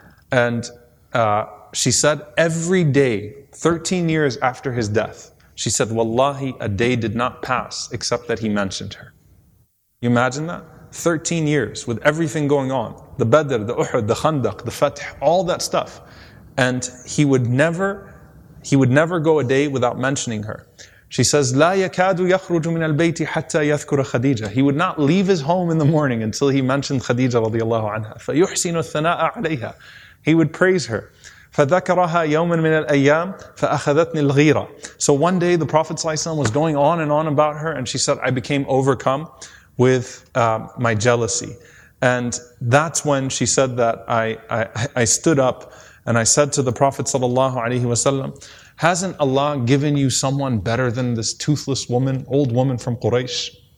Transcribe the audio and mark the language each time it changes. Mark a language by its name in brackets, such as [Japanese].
[English] And she said, every day, 13 years after his death, she said, wallahi, a day did not pass except that he mentioned her. You imagine that? 13 years with everything going on, the Badr, the Uhud, the Khandaq, the Fath, all that stuff. And he would never go a day without mentioning her. She says, [Arabic] لا يكاد يخرج من البيت حتى يذكر خديجة. [English] He would not leave his home in the morning until he mentioned خديجة [Arabic] رضي الله عنها. فيحسن الثناء عليها. [English] He would praise her. [Arabic] فذكرها يوما من الأيام فأخذتني الغيرة. [English] So one day the Prophet ﷺ was going on and on about her, and she said, I became overcome with my jealousy. And that's when she said that I stood up and I said to the Prophet sallallahu alaihi wasallam, hasn't Allah given you someone better than this toothless woman, old woman from Quraysh?